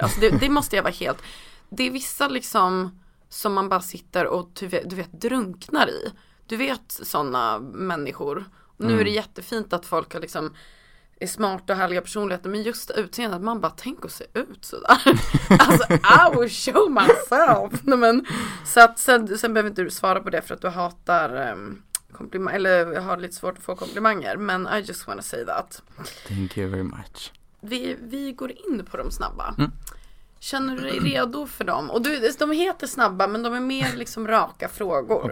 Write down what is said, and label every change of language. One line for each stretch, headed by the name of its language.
Swedish: Alltså det måste jag vara helt. Det är vissa liksom som man bara sitter och du vet, drunknar i. Du vet såna människor. Och nu är det jättefint att folk har liksom är smart och härliga personligheter, men just utseendet, man bara tänker att se ut så där. Alltså,
English: I will show myself.
Swedish: Men, så att sen behöver inte du svara på det för att du hatar komplimanger, eller har lite svårt att få komplimanger, men
English: I just want to say that. Thank you very much.
Swedish: Vi går in på de snabba. Känner du dig redo för dem? Och du, de heter snabba, men de är mer liksom raka frågor.